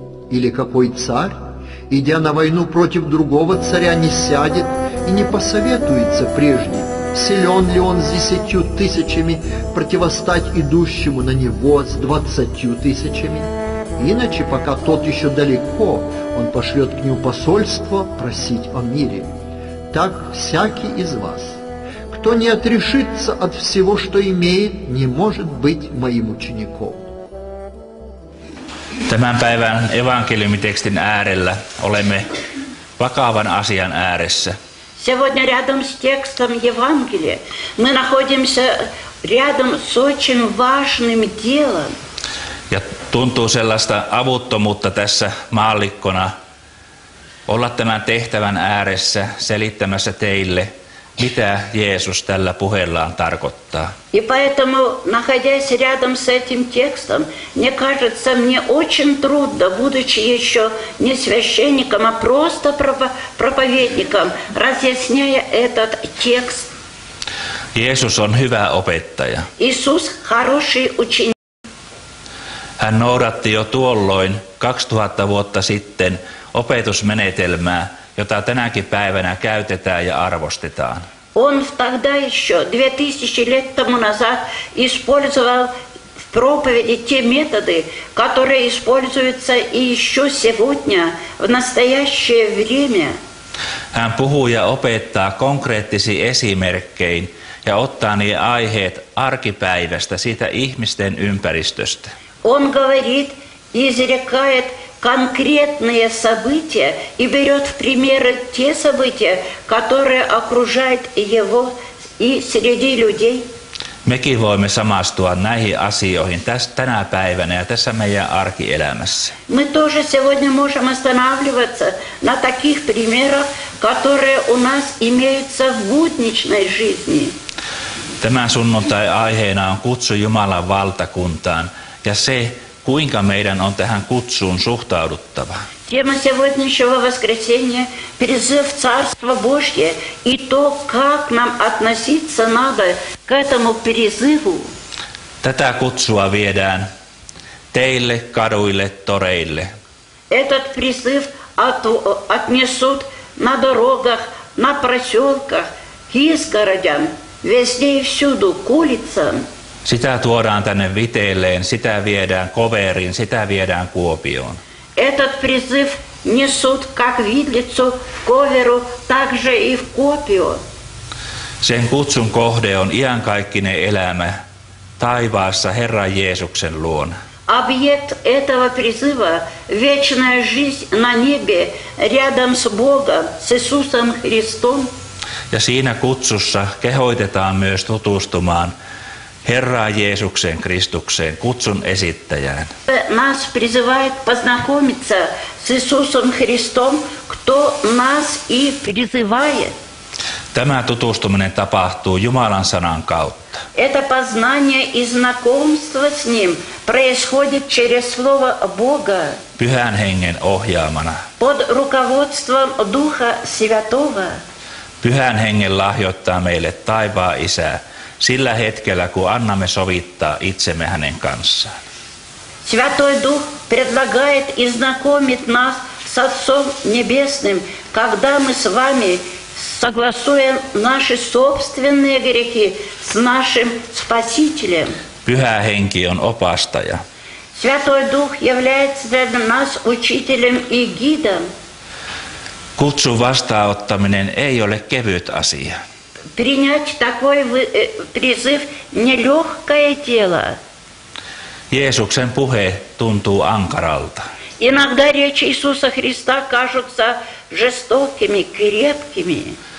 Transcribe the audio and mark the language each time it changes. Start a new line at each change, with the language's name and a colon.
Russian: Или какой царь, идя на войну против другого царя, не сядет и не посоветуется прежде, силен ли он с 10 тысячами противостать идущему на него с 20 тысячами? Иначе, пока тот еще далеко, он пошлет к нему посольство просить о мире. Так всякий из вас, кто не отрешится от всего, что имеет, не может быть моим учеником».
Finnish: Tämän päivän evankeliumitekstin äärellä olemme vakavan asian ääressä.
Russian: Сегодня рядом с текстом Евангелия мы находимся рядом с очень важным делом.
Finnish: Ja tuntuu sellaista avuttomuutta tässä maallikkona olla tämän tehtävän ääressä selittämässä teille, mitä Jeesus tällä puheellaan tarkoittaa.
Russian: И поэтому, находясь рядом с этим текстом, мне кажется, мне очень трудно, будучи еще не священником, а просто проповедником, разъясняя этот текст.
Finnish: Jeesus on hyvä opettaja.
Russian: Иисус хороший ученик.
Finnish: Hän noudatti jo tuolloin 2000 vuotta sitten opetusmenetelmää, jota tänäkin päivänä käytetään ja arvostetaan.
Russian: Он тогда еще, 2000 лет тому назад, использовал в проповеди те методы, которые используются и еще сегодня, в настоящее время.
Finnish: Hän puhuu ja opettaa konkreettisiin esimerkkein ja ottaa ne aiheet arkipäivästä, siitä ihmisten ympäristöstä.
Russian: Он говорит, изрекает конкретные события и берет в примеры те события, которые окружают его и среди людей.
Finnish: Mekin voimme samastua näihin asioihin tänä päivänä ja tässä meidän arkielämässä.
Russian: Мы тоже сегодня можем останавливаться на таких примерах, которые у нас имеются в будничной жизни.
Finnish: Tämä sunnuntai aiheena on kutsu Jumalan valtakuntaan ja se, kuinka meidän on tähän kutsuun suhtauduttava.
Russian: Тема сегодняшнего воскресенья – призыв Царства Божье и то, как нам относиться надо к этому призыву.
Finnish: Tätä kutsua viedään teille, kaduille, toreille.
Russian: Этот призыв отнесут на дорогах, на проселках, к изгородям, везде и всюду, к улицам.
Finnish: Sitä tuodaan tänne Viteelleen, sitä viedään Koveriin, sitä viedään Kuopioon.
Russian: Этот призыв несут как Видлицу, Коверу, так же и в Куопио.
Finnish: Sen kutsun kohde on iankaikkinen elämä taivaassa Herran Jeesuksen luona.
Russian: Объект этого призыва – вечная жизнь на небе рядом с Богом, с Иисусом Христом.
Finnish: Ja siinä kutsussa kehoitetaan myös tutustumaan Herraan Jeesukseen Kristukseen, kutsun esittäjään.
Russian: Нас призывает познакомиться с Иисусом Христом, кто нас и призывает.
Finnish: Tämä tutustuminen tapahtuu Jumalan sanan kautta.
Russian: Это познание и знакомство с ним происходит через слово Бога.
Finnish: Pyhän Hengen ohjaamana.
Russian: Под руководством Духа Святого.
Finnish: Pyhän Hengen lahjoittaa meille taivaan Isää. sillä hetkellä, kun annamme sovittaa itsemme hänen kanssaan.
Russian: Святой Дух предлагает и знакомит нас с Отцом Небесным, когда мы с вами согласуем наши собственные грехи с нашим Спасителем.
Finnish: Pyhä Henki on opastaja.
Russian: Святой Дух является для нас учителем и гидом.
Finnish: Kutsun vastaanottaminen ei ole kevyt asia.
Russian: Принять такой призыв нелегкое дело.
Finnish: Jeesuksen puhe tuntuu ankaralta.
Russian: Иногда речи Иисуса Христа кажутся жестокими, крепкими.